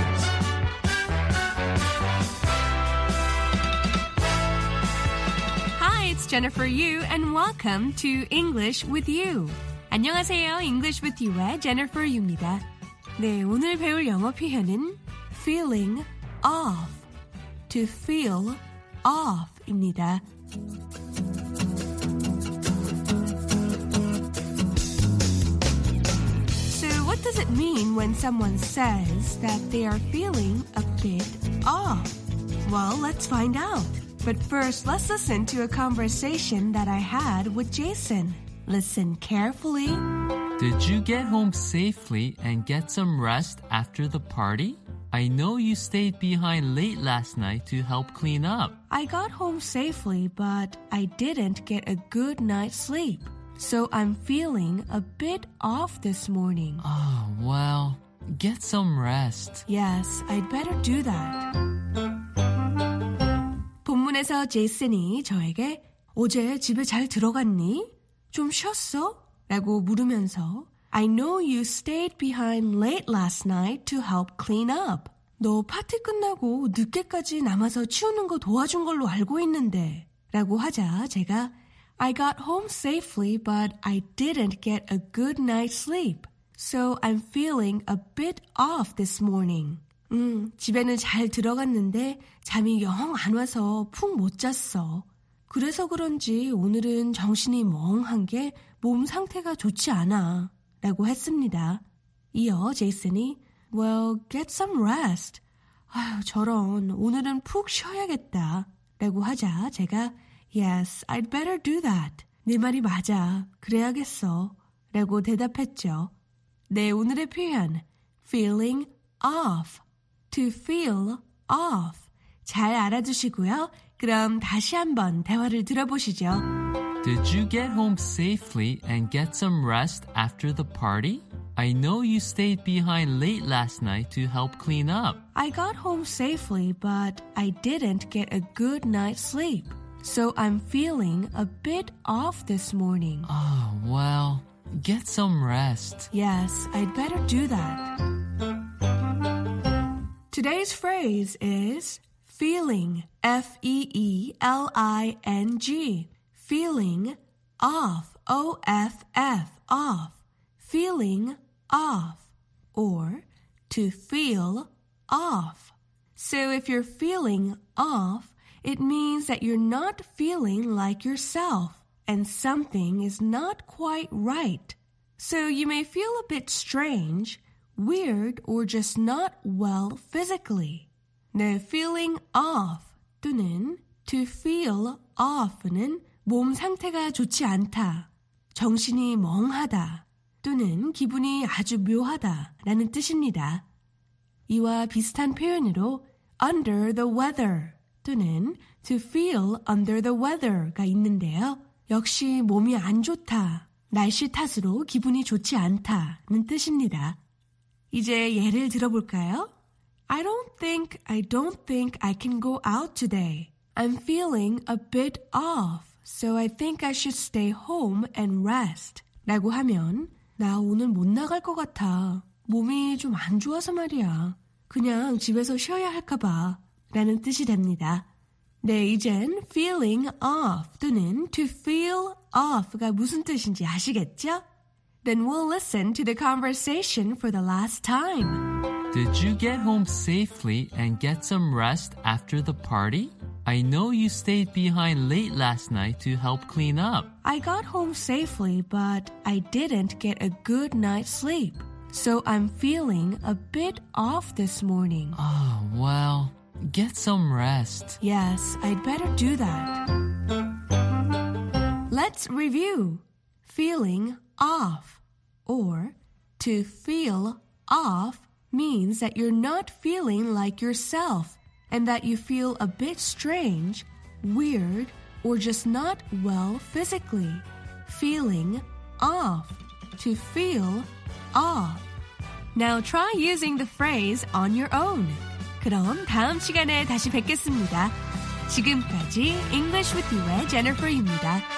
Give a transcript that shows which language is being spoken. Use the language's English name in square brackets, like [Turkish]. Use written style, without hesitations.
[English] Hi, it's Jennifer Yu, and welcome to English with You. [Korean] 안녕하세요, English with You의 Jennifer Yu입니다. 네, 오늘 배울 영어 표현은 feeling off, to feel off입니다. [English] Mean when someone says that they are feeling a bit off? Well, let's find out. But first, let's listen to a conversation that I had with Jason. Listen carefully. Did you get home safely and get some rest after the party? I know you stayed behind late last night to help clean up. I got home safely, but I didn't get a good night's sleep. So I'm feeling a bit off this morning. Oh, well, get some rest. Yes, I'd better do that. [Korean] 본문에서 제이슨이 저에게 어제 집에 잘 들어갔니? 좀 쉬었어? 라고 물으면서 [English] I know you stayed behind late last night to help clean up. [Korean] 너 파티 끝나고 늦게까지 남아서 치우는 거 도와준 걸로 알고 있는데 라고 하자 제가 [English] I got home safely, but I didn't get a good night's sleep. So I'm feeling a bit off this morning. [Korean] 집에는 잘 들어갔는데 잠이 영 안 와서 푹 못 잤어. 그래서 그런지 오늘은 정신이 멍한 게 몸 상태가 좋지 않아 라고 했습니다. 이어 제이슨이 [English] Well, get some rest. [Korean] 아휴, 저런, 오늘은 푹 쉬어야겠다 라고 하자 제가 [English] Yes, I'd better do that. [Korean] 네 말이 맞아, 그래야겠어 라고 대답했죠. 네, 오늘의 표현 Feeling off. [English] To feel off. [Korean] 잘 알아두시고요. 그럼 다시 한번 대화를 들어보시죠. [English] Did you get home safely and get some rest after the party? I know you stayed behind late last night to help clean up. I got home safely, but I didn't get a good night's sleep. So I'm feeling a bit off this morning. Oh, well, get some rest. Yes, I'd better do that. Today's phrase is feeling, F-E-E-L-I-N-G, feeling off, O-F-F, off, feeling off, or to feel off. So if you're feeling off, it means that you're not feeling like yourself and something is not quite right. So you may feel a bit strange, weird, or just not well physically. [Korean] 네, feeling off 또는 to feel off는 몸 상태가 좋지 않다, 정신이 멍하다, 또는 기분이 아주 묘하다라는 뜻입니다. 이와 비슷한 표현으로 [English] under the weather [Korean] 또는 [English] to feel under the weather가 [Korean] 있는데요. 역시 몸이 안 좋다, 날씨 탓으로 기분이 좋지 않다는 뜻입니다. 이제 예를 들어볼까요? [English] I don't think I can go out today. I'm feeling a bit off, so I think I should stay home and rest. [Korean] 라고 하면 나 오늘 못 나갈 것 같아. 몸이 좀 안 좋아서 말이야. 그냥 집에서 쉬어야 할까 봐. 라는 뜻이 됩니다. 네, 이젠 feeling off 또는 to feel off가 무슨 뜻인지 아시겠죠? [English] Then we'll listen to the conversation for the last time. Did you get home safely and get some rest after the party? I know you stayed behind late last night to help clean up. I got home safely, but I didn't get a good night's sleep. So I'm feeling a bit off this morning. Oh, well, get some rest. Yes, I'd better do that. Let's review. Feeling off, or to feel off means that you're not feeling like yourself and that you feel a bit strange, weird, or just not well physically. Feeling off, to feel off. Now try using the phrase on your own. [Korean] 그럼 다음 시간에 다시 뵙겠습니다. 지금까지 English with You의 Jennifer입니다.